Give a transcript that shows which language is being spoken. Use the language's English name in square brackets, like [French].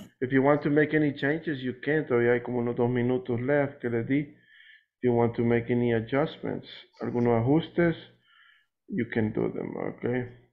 [English] If you want to make any changes, you can. [Spanish] Todavía hay como unos dos minutos left que le di. [English] If you want to make any adjustments, [Spanish] algunos ajustes, [English] you can do them, okay?